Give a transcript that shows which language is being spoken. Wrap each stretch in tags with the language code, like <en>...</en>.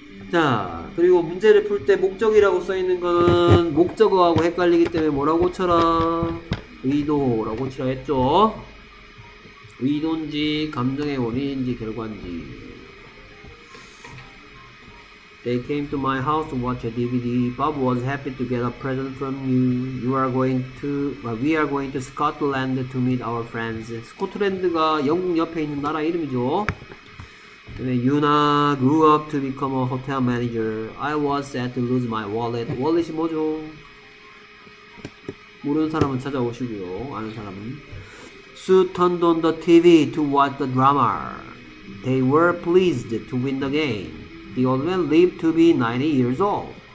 <ko>자, 그리고 문제를 풀 때 목적이라고 써있는 거는 목적어하고 헷갈리기 때문에 뭐라고 쳐라? 의도라고 치라 했죠. 의도인지 감정의 원인인지 결과인지.</ko> <en>They came to my house to watch a DVD. Bob was happy to get a present from you. You are going to, well, we are going to Scotland to meet our friends.</en> <ko>스코틀랜드가 영국 옆에 있는 나라 이름이죠.</ko> <en>Yuna grew up to become a hotel manager. I was sad to lose my wallet. Wallet</en> <ko>이 뭐죠? 모르는 사람은 찾아오시고요. 아는 사람은.</ko> <en>Sue turned on the TV to watch the drama. They were pleased to win the game. The old man lived to be 90 years old.</en>